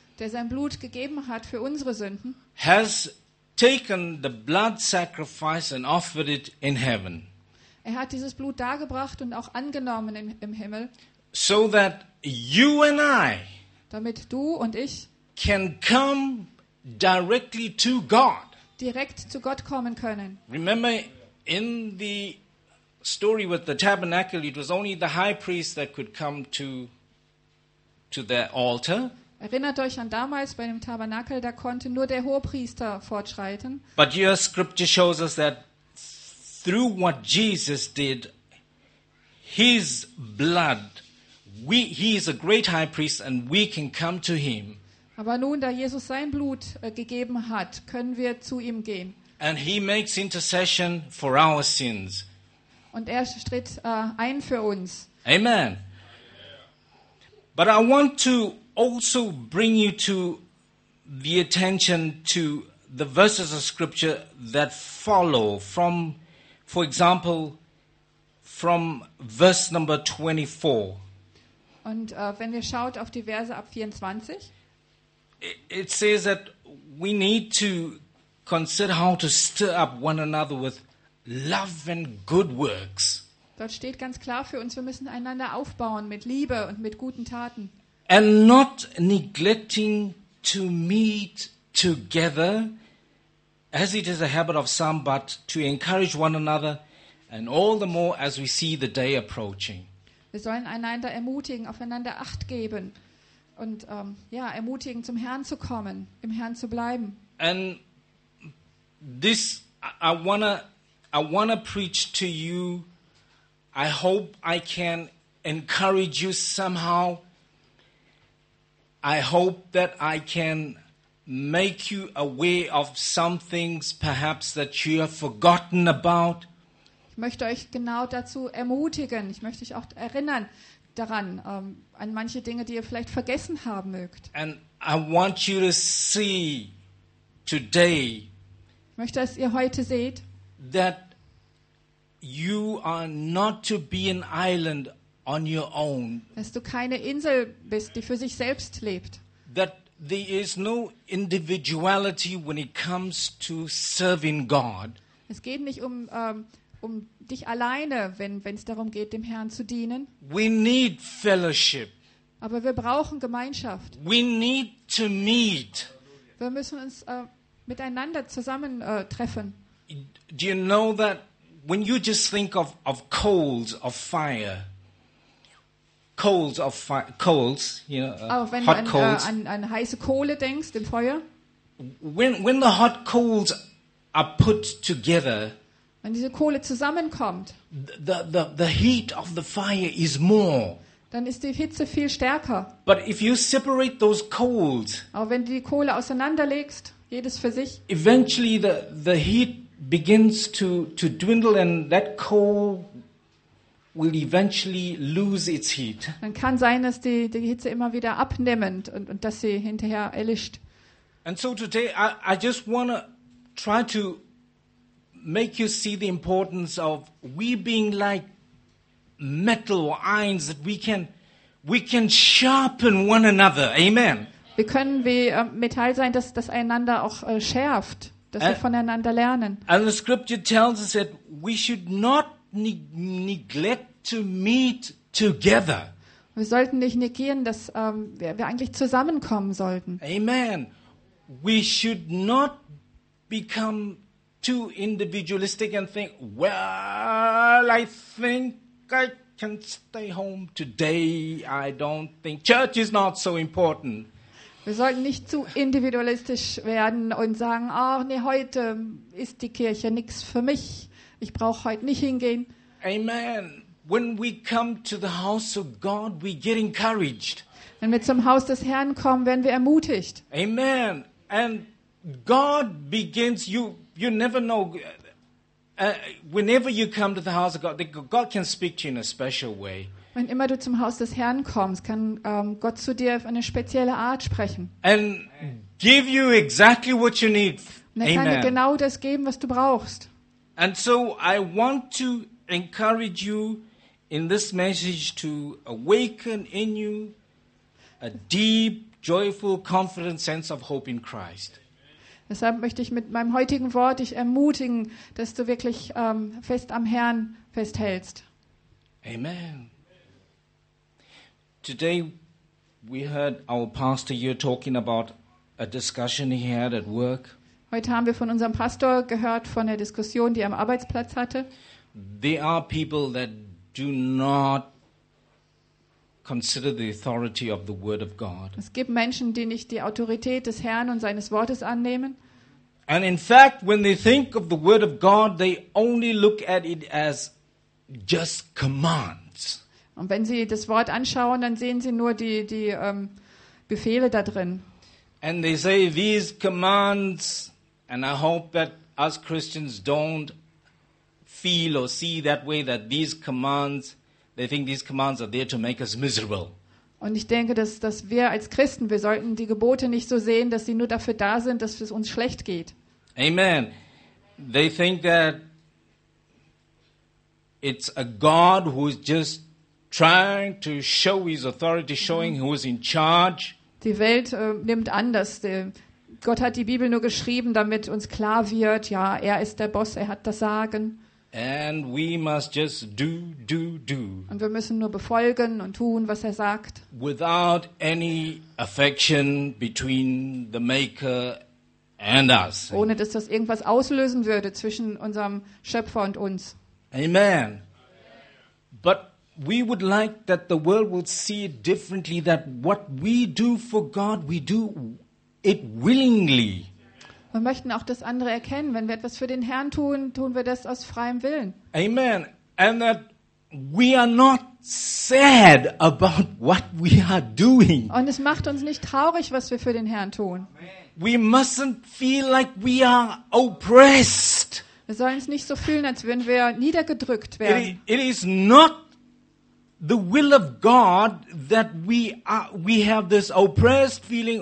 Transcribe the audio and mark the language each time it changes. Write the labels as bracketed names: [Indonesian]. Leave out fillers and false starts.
[German] Der sein Blut gegeben hat für unsere Sünden. [English] Has taken the blood sacrifice and offered it in heaven. [German] Er hat dieses Blut dargebracht und auch angenommen im Himmel. [English] So that you and I, [German] damit du und ich, [English] can come directly to God. [German] Direkt zu Gott kommen können. [English] Remember in the story with the tabernacle, it was only the high priest that could come to the altar. [German] Erinnert euch an damals bei dem Tabernakel, da konnte nur der Hohepriester fortschreiten. [English] But your scripture shows us that through what Jesus did, his blood, he is a great high priest and we can come to him. [German] Aber nun, da Jesus sein Blut gegeben hat, können wir zu ihm gehen. [English] And he makes intercession for our sins. [German] Und er tritt ein für uns. [English] Amen. But I want to also bring you to the attention to the verses of scripture that follow from, for example, from verse number 24. [German] Und wenn ihr schaut auf die Verse ab 24. [English] It says that we need to consider how to stir up one another with love and good works. [German] Dort steht ganz klar für uns, wir müssen einander aufbauen mit Liebe und mit guten Taten. [English] And not neglecting to meet together, as it is a habit of some, but to encourage one another, and all the more as we see the day approaching. [German] Wir sollen einander ermutigen, aufeinander Acht geben und ermutigen, zum Herrn zu kommen, im Herrn zu bleiben. [English] And this, I wanna preach to you. I hope I can encourage you somehow. I hope that I can make you aware of some things, perhaps that you have forgotten about. [German] Ich möchte euch genau dazu ermutigen. Ich möchte euch auch erinnern daran, an manche Dinge, die ihr vielleicht vergessen haben mögt. [English] And I want you to see today. [German] Ich möchte, dass ihr heute seht, [English] that you are not to be an island on your own. [German] Dass du keine Insel bist, die für sich selbst lebt. [English] That there is no individuality when it comes to serving God. [German] Es geht nicht um dich alleine, wenn es darum geht, dem Herrn zu dienen. [English] We need fellowship. [German] Aber wir brauchen Gemeinschaft. [English] We need to meet. [German] Wir müssen uns miteinander zusammen treffen. [English] Do you know that when you just think of coals of fire, coals, you know, hot coals. [German] Wenn du an heiße Kohle denkst, im Feuer. [English] When the hot coals are put together, [German] wenn diese Kohle zusammenkommt, [English] the heat of the fire is more. [German] Dann ist die Hitze viel stärker. [English] But if you separate those coals, [German] aber wenn du die Kohle auseinanderlegst, jedes für sich, [English] eventually the heat begins to dwindle and that coal will eventually lose its heat. [German] Dann kann sein, dass die Hitze immer wieder abnimmt und dass sie hinterher erlischt. [English] And so today I just want to try to make you see the importance of we being like metal or irons, that we can sharpen one another. Amen. [German] Wir können wie Metall sein, dass einander auch schärft, dass wir voneinander lernen. [English] And the scripture tells us that we should not neglect to meet together. [German] Wir sollten nicht negieren, dass wir eigentlich zusammenkommen sollten. [English] Amen. We should not become too individualistic and think, well, I think I can stay home today. I don't think church is not so important. [German] Wir sollten nicht zu individualistisch werden und sagen, ach nee, heute ist die Kirche nichts für mich. Ich brauche heute nicht hingehen. [English] Amen. When we come to the house of God, we get encouraged. [German] Wenn wir zum Haus des Herrn kommen, werden wir ermutigt. [English] Amen. And God begins, you never know, whenever you come to the house of God, God can speak to you in a special way. [German] Wenn immer du zum Haus des Herrn kommst, kann Gott zu dir auf eine spezielle Art sprechen. [English] And give you exactly what you need. [German] Und er kann dir genau das geben, was du brauchst. [English] And so I want to encourage you in this message to awaken in you a deep, joyful, confident sense of hope in Christ. [German] Deshalb möchte ich mit meinem heutigen Wort dich ermutigen, dass du wirklich fest am Herrn festhältst. [English] Amen. Today we heard our pastor here talking about a discussion he had at work. [German] Heute haben wir von unserem Pastor gehört von der Diskussion, die er am Arbeitsplatz hatte. [English] There are people that do not consider the authority of the word of God. [German] Es gibt Menschen, die nicht die Autorität des Herrn und seines Wortes annehmen. [English] And in fact, when they think of the word of God, they only look at it as just commands. [German] Und wenn sie das Wort anschauen, dann sehen sie nur die Befehle da drin. [English] And they say these commands, and I hope that us Christians don't feel or see that way, that these commands, they think these commands are there to make us miserable. [German] Und ich denke, dass wir als Christen, wir sollten die Gebote nicht so sehen, dass sie nur dafür da sind, dass es uns schlecht geht. [English] Amen. They think that it's a God who is just trying to show his authority, showing who is in charge. [German] Die Welt nimmt an, dass Gott hat die Bibel nur geschrieben, damit uns klar wird, ja, er ist der Boss, er hat das Sagen. [English] And we must just do, do, do. [German] Und wir müssen nur befolgen und tun, was er sagt. [English] Without any affection between the Maker and us. [German] Ohne dass das irgendwas auslösen würde zwischen unserem Schöpfer und uns. [English] Amen. But we would like that the world would see it differently, that what we do for God, we do it willingly. [German] Wir möchten auch das andere erkennen. Wenn wir etwas für den Herrn tun, tun wir das aus freiem Willen. Amen. [English] And that we are not sad about what we are doing. [German] Und es macht uns nicht traurig, was wir für den Herrn tun. [English] We mustn't feel like we are oppressed. [German] Wir sollen es nicht so fühlen, als würden wir niedergedrückt werden. [English] It is not the will of God that we have this oppressed feeling.